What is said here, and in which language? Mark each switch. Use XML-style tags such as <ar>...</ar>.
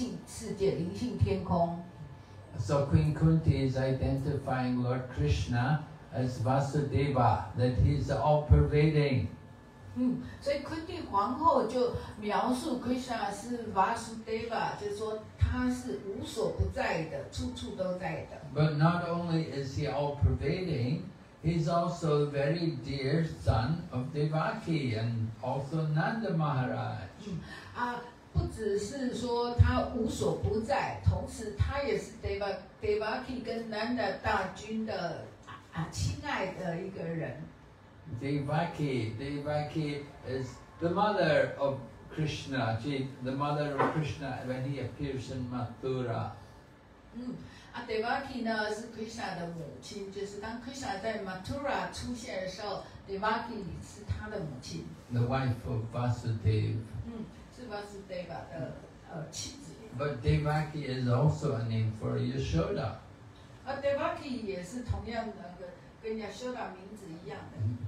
<zh>同样的呢，个体生物呢，在这个物质的存在、物质的海洋生存的，但是他们也可以被提升到了灵性世界、灵性天空。</zh> <en>So Queen Kunti is identifying Lord Krishna as Vasudeva, that he is all pervading.</en> <zh>所以昆蒂皇后就描述 Krishna 是 Vasudeva， 就是说他是无所不在的，处处都在的。</zh> <en>But not only is he all pervading, he's also a very dear son of Devaki and also Nanda Maharaj.</en> <zh>不只是说他无所不在，同时他也是 Devaki 跟 Nanda 大君的亲爱的一个人。</zh> <en>Devaki is the mother of Krishna, the mother of Krishna when he appears in Mathura.</en> <zh>Devaki 呢是 Krishna 的母亲，就是当 Krishna 在 Mathura 出现的时候 ，Devaki 是他的母亲。</zh> <en>The wife of Vasudeva.</en> <zh>是 Vasudeva 的妻子。</zh> <en>But Devaki is also a name for Yashoda.</en> <zh>Devaki 也是同样的跟 Yashoda 名字一样的。</zh>